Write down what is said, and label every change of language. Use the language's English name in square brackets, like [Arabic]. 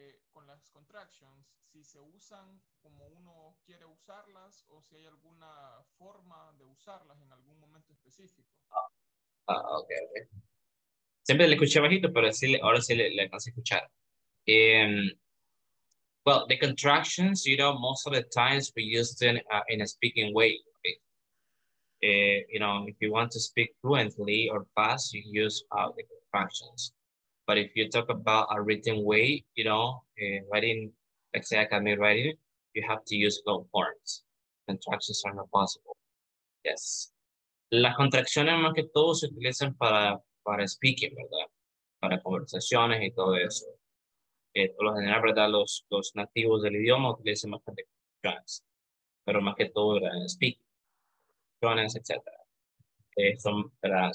[Spanish] Con las contractions, si se usan como uno quiere usarlas o si hay alguna forma de usarlas en algún momento específico. [English] Okay. [Spanish] Siempre le escuché bajito, pero así le, ahora sí le alcanzé a escuchar. [English] Well, the contractions, you know, most of the times we use them in a speaking way. Okay? You know, if you want to speak fluently or fast, you use the contractions. But if you talk about a written way, you know, writing, let's say academic writing, you have to use long forms. Contractions are not possible. Yes. [Spanish] Las contracciones más que todo se utilizan para speaking, ¿verdad? Para conversaciones y todo eso. Por lo general, ¿verdad? Los nativos del idioma utilizan más que contracciones. Pero más que todo, ¿verdad? En speaking. Contracciones, etc.